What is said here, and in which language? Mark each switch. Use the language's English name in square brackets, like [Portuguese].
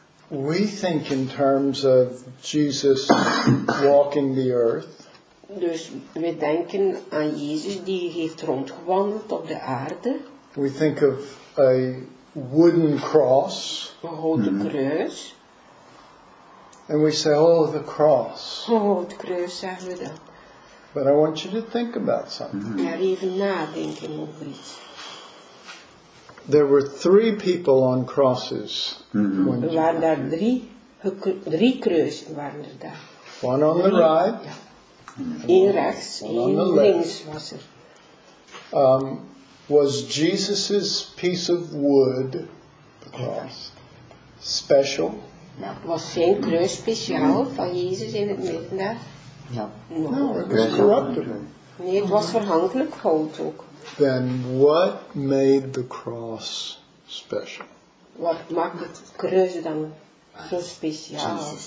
[English] We think in terms of Jesus walking the earth. [Dutch] Dus we denken aan Jezus die heeft rondgewandeld op de aarde. [English] We think of a wooden cross. [Dutch] Een houten kruis. [English] And we say, oh, the cross. [Dutch] Oh, het kruis, zeggen we dan. [English] But I want you to think about something. [Dutch] Maar even nadenken over iets. [English] There were three people on crosses. [Dutch] Mm-hmm. Er waren daar drie kruisen waren er daar. [English] One on the right. [Dutch] Eén rechts, één links was er. [English] Was Jesus's piece of wood, the cross, special? [Dutch] Nou, was zijn kruis speciaal van Jezus in het midden daar? Nee, het was corruptible. Nee, het was verhankelijk hout ook. [English] Then what made the cross special? [Dutch] Wat maakt het kruis dan zo speciaal?